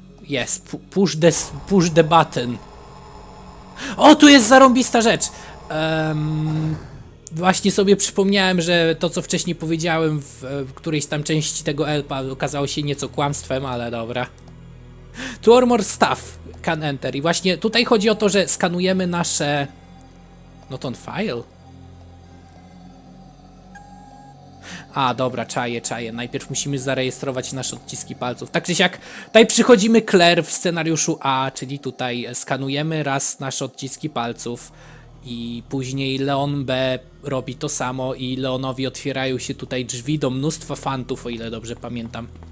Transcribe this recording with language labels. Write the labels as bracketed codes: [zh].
[en] Yes, push the button. [pl] O, tu jest zarąbista rzecz! Właśnie sobie przypomniałem, że to, co wcześniej powiedziałem w którejś tam części tego elpa, okazało się nieco kłamstwem, ale dobra. [en] Two or more staff can enter. [pl] I właśnie tutaj chodzi o to, że skanujemy nasze... [en] Not on file? [pl] A, dobra, czaję. Najpierw musimy zarejestrować nasze odciski palców. Tak czy siak, tutaj przychodzimy Claire w scenariuszu A, czyli tutaj skanujemy raz nasze odciski palców i później Leon B robi to samo i Leonowi otwierają się tutaj drzwi do mnóstwa fantów, o ile dobrze pamiętam.